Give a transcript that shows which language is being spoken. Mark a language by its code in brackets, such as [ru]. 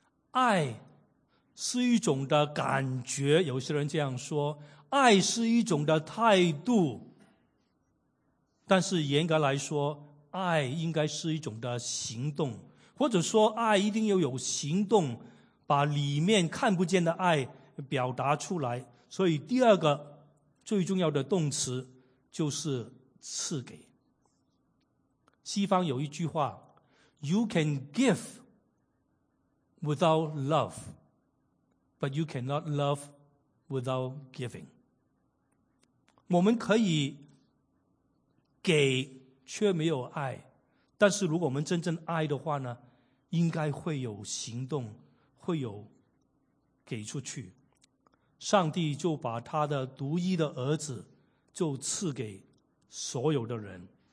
[zh] 爱是一种的感觉，有些人这样说，爱是一种的态度，但是严格来说，爱应该是一种的行动，或者说爱一定要有行动，把里面看不见的爱表达出来。所以第二个最重要的动词就是赐给。西方有一句话， [en] You can give without love, but you cannot love without giving. [zh] 我们可以给却没有爱，但是如果我们真正爱的话呢，应该会有行动，会有给出去。上帝就把他的独一的儿子就赐给所有的人。